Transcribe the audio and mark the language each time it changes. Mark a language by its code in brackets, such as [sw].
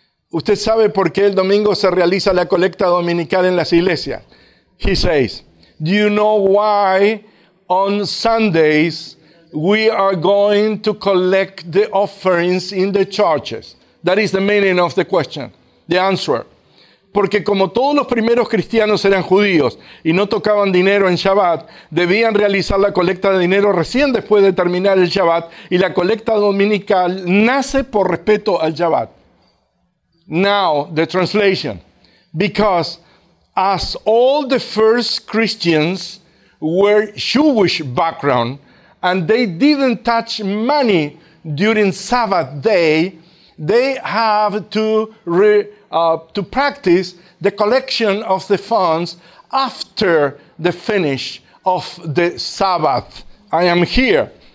[es] ¿Usted sabe por qué el domingo se realiza la colecta dominical en las iglesias? [en] He says, do you know why on Sundays we are going to collect the offerings in the churches? That is the meaning of the question, the answer. [es] Porque como todos los primeros cristianos eran judíos y no tocaban dinero en Shabbat, debían realizar la colecta de dinero recién después de terminar el Shabbat, y la colecta dominical nace por respeto al Shabbat. [en] Now, the translation. Because as all the first Christians were Jewish background and they didn't touch money during Sabbath day, they have to to practice the collection of the funds after the finish of the Sabbath. I am here.